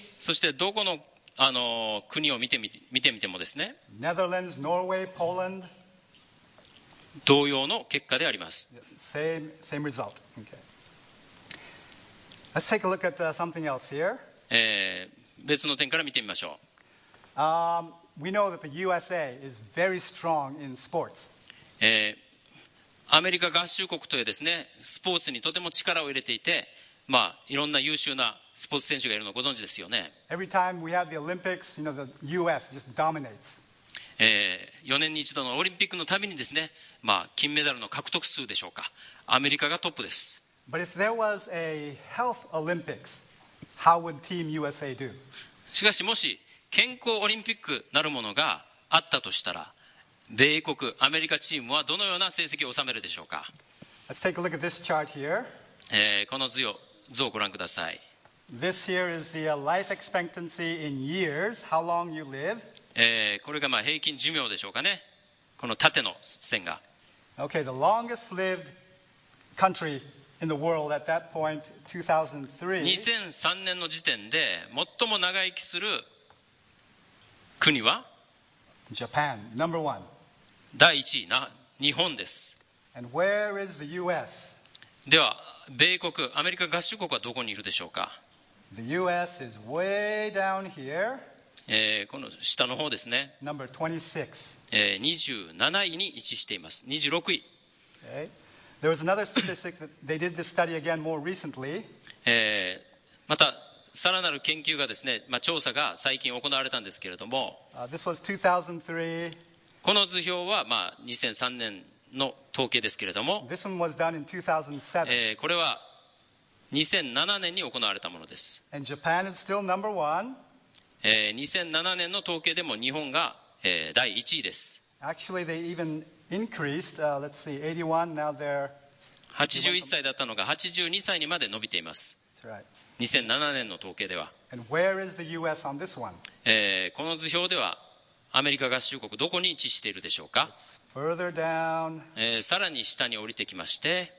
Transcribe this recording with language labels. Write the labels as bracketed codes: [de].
[ja] そしてどこの、国を見てみてもですね、 [en] Netherlands, Norway, Poland, [ja] 同様の結果であります。 [en] Same result. Okay. Let's take a look at something else here. [ja] 別の点から見てみましょう。 [en] We know that the USA is very strong in sports. [ja] アメリカ合衆国というですね、スポーツにとても力を入れていて、まあ、いろんな優秀なスポーツ選手がいるのをご存知ですよね。 [en] Every time we have the Olympics, you know, the US just dominates. [ja] 4年に一度のオリンピックのたびにですね、まあ、金メダルの獲得数でしょうか、アメリカがトップです。 [en] But if there was a health Olympics, how would Team USA do? [ja] しかしもし健康オリンピックなるものがあったとしたら、米国、アメリカチームはどのような成績を収めるでしょうか。 [en] Let's take a look at this chart here. [ja] この図をご覧ください。 [en] This here is the life expectancy in years, how long you live. [ja] これがまあ平均寿命でしょうかね、この縦の線が。 [en] Okay, the longest lived country in the world at that point, 2003. [ja] 2003年の時点で最も長生きする国は [en] Japan, number one. [ja] 第1位な日本です。 [en] And where is the US? [ja] では、米国、アメリカ合衆国はどこにいるでしょうか。 [en] The US is way down here. [ja] この下の方ですね、 [en] 27 [ja] 位に位置しています。26位、 [en] okay. There was another statistic that they did this study again more recently. [ja] またさらなる研究がですね、まあ、調査が最近行われたんですけれども、 [en] this was 2003. [ja] この図表はまあ2003年の統計ですけれども、 [en] this one was done in 2007. [ja] これは2007年に行われたものです。 [en] And Japan is still number one. [ja] 2007年の統計でも日本が第1位です。 [en] Actually, they even increased, let's see, 81, now they're... [ja] 81歳だったのが82歳にまで伸びています。 [en] That's right. [ja] 2007年の統計では。 [en] And where is the US on this one? [ja] この図表ではアメリカ合衆国どこに位置しているでしょうか。 [en] It's further down. [ja] さらに下に降りてきまして、